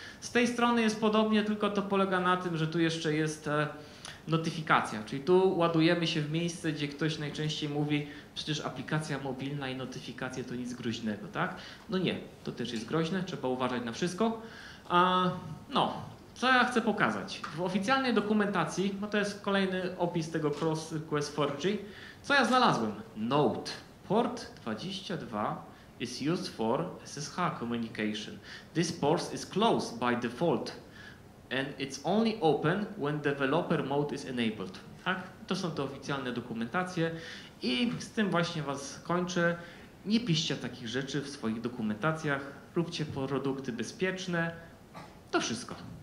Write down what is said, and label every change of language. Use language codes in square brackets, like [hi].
[pl] Z tej strony jest podobnie, tylko to polega na tym, że tu jeszcze jest notyfikacja, czyli tu ładujemy się w miejsce, gdzie ktoś najczęściej mówi, przecież aplikacja mobilna i notyfikacje to nic groźnego, tak? No nie, to też jest groźne, trzeba uważać na wszystko. No, co ja chcę pokazać? W oficjalnej dokumentacji, no to jest kolejny opis tego CrossQuest4G, co ja znalazłem? [en] Note, port 22 is used for SSH communication. This port is closed by default and it's only open when developer mode is enabled. [pl] Tak? To są te oficjalne dokumentacje i z tym właśnie was kończę. Nie piszcie takich rzeczy w swoich dokumentacjach. Róbcie produkty bezpieczne. To wszystko.